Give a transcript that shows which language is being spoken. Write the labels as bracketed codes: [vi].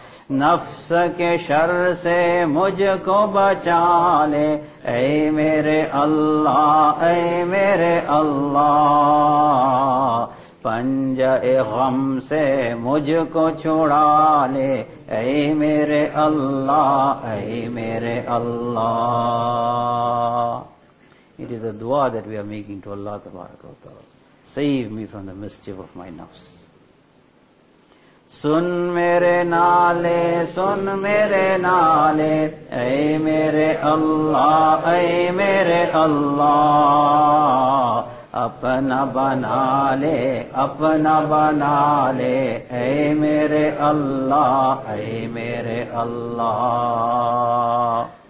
[ur] نفس کے شر سے مجھ کو بچا لے اے میرے اللہ اے میرے اللہ پنجہِ غم سے مجھ کو چھڑا لے اے میرے اللہ اے میرے اللہ [en] It is a dua that we are making to Allah [ar] تبارک و تعالی [en] Save me from the mischief of my nafs. [ur] سن میرے نالے سن میرے نالے اے میرے اللہ اے میرے اللہ اپنا بنا لے اپنا بنا لے اے میرے اللہ اے میرے اللہ